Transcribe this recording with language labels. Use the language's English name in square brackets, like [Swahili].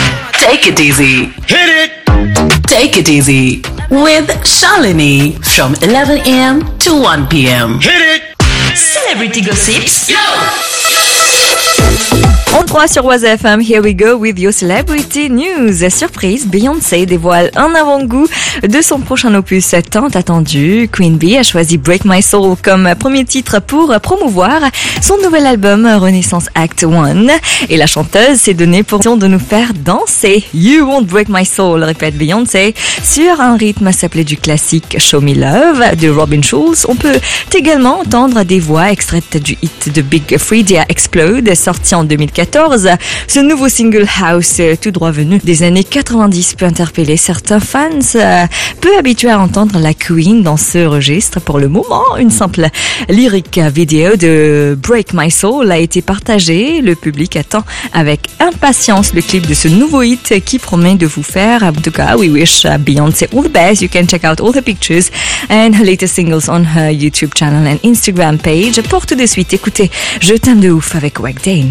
[English] Take it easy with Shalini from 11 a.m. to 1 p.m. Hit it! Celebrity gossips. Yo! On 3 sur Waze FM, here we go with your celebrity news. [French] Surprise, Beyoncé dévoile un avant-goût de son prochain opus tant attendu. Queen Bee a choisi Break My Soul comme premier titre pour promouvoir son nouvel album Renaissance Act 1. Et la chanteuse s'est donnée pour mission de nous faire danser. [English] You won't break my soul, [French] répète Beyoncé, sur un rythme s'appelait du classique Show Me Love de Robin Schulz. On peut également entendre des voix extraites du hit de Big Freedia Explode, sorti en 2014. Ce nouveau single house tout droit venu des années 90 peut interpeller certains fans peu habitués à entendre la Queen dans ce registre. Pour le moment, une simple lyrique vidéo de Break My Soul a été partagée. Le public attend avec impatience le clip de ce nouveau hit qui promet de vous faire, en tout cas, [English] we wish Beyoncé all the best. You can check out all the pictures and her latest singles on her YouTube channel and Instagram page. [French] Pour tout de suite, écoutez Je t'aime de ouf avec Wack Dane.